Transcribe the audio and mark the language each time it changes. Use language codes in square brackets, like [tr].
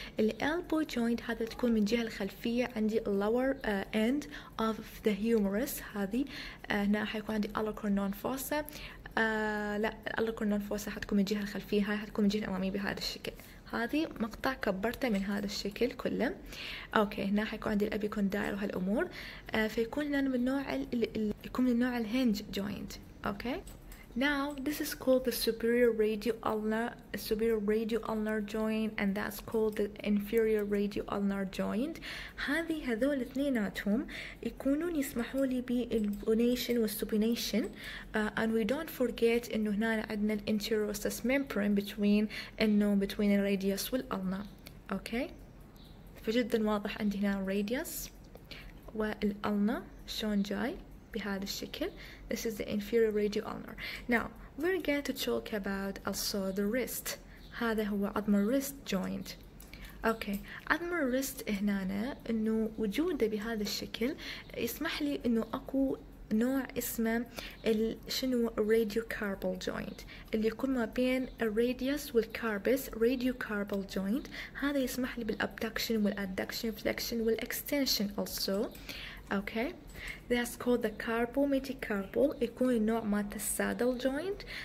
[ar] الالبو جوينت هذا تكون من جهة الخلفية، عندي اللور اند اوف ذا هيومرس، هذه هنا حيكون عندي الور كرونون فوسا. لا الور كرونون فوسا حتكون من جهة الخلفية، هاي حتكون من جهة الأمامية بهذا الشكل. هذه مقطع كبرته من هذا الشكل كله. اوكي هنا حيكون عندي الابيكوندايل وهالامور، فيكون لنا من نوع يكون من نوع الهنج جوينت. [en] Okay now this is called the superior radio ulnar, superior radio ulnar joint, and that's called the inferior radio ulnar joint. [ar] هذه هذول اثنيناتهم يكونون يسمحوا لي بالونيشن والسوبينيشن. [en] And we don't forget [ar] انه هنا عندنا الانتيروسس ميمبرين between انه between الراديوس والالنا. اوكي فجدا واضح عندي هنا الراديوس والالنا شلون جاي بهذا الشكل. [en] This is the inferior radio ulnar. Now we're going to talk about also the wrist. [ar] هذا هو عظم الريست joint. [en] Okay. [ar] عظم الريست هنا انه وجوده بهذا الشكل يسمح لي انه اكو نوع اسمه شنو radiocarbal joint اللي يكون ما بين الراديوس والكاربس. radiocarbal joint هذا يسمح لي بالابدكشن والادكشن فليكشن والاكستنشن also. [en] Okay. That's called the carpometacarbal. [ar] يكون النوع مات السادل joint.